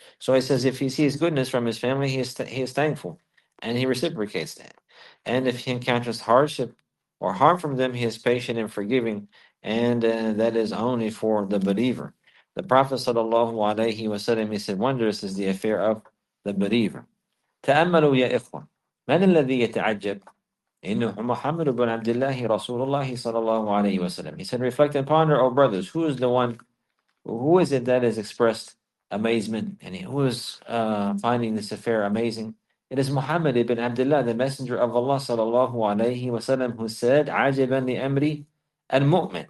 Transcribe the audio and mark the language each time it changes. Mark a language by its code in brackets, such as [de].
[en] So he says, if he sees goodness from his family, he is thankful. And he reciprocates that. And if he encounters hardship or harm from them, he is patient and forgiving. And that is only for the believer. The Prophet sallallahu alayhi wa sallam, he said, wondrous is the affair of the believer. [ar] تأملوا يا إخوة من الذي يتعجب إنه محمد بن عبد الله رسول الله صلى الله عليه وسلم. [en] He said, reflect and ponder, O brothers, who is the one, who is it that has expressed amazement, and who is finding this affair amazing? It is Muhammad ibn Abdullah, the messenger of Allah صلى الله عليه وسلم, who said, [ar] عجبا لأمر المؤمن.